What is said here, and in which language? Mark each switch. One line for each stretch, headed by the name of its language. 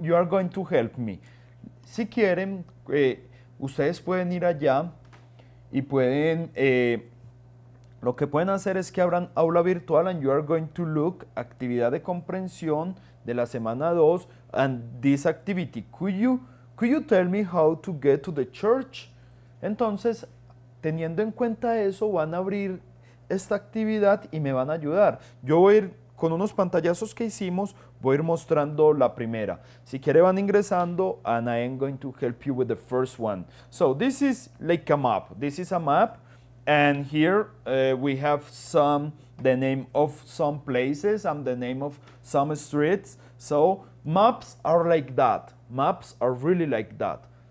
English: You are going to help me.
Spanish: Si quieren. Ustedes pueden ir allá y pueden, lo que pueden hacer es que abran aula virtual
English: and you are going to look
Spanish: actividad de comprensión de la semana 2
English: and this activity. Could you tell me how to get to the church?
Spanish: Entonces, teniendo en cuenta eso, van a abrir esta actividad y me van a ayudar. Yo voy a ir con unos pantallazos que hicimos, voy a ir mostrando la primera. Si quiere van ingresando,
English: and I am going to help you with the first one. So this is like a map. This is a map, and here we have some the name of some places and the name of some streets. So maps are like that. Maps are really like that.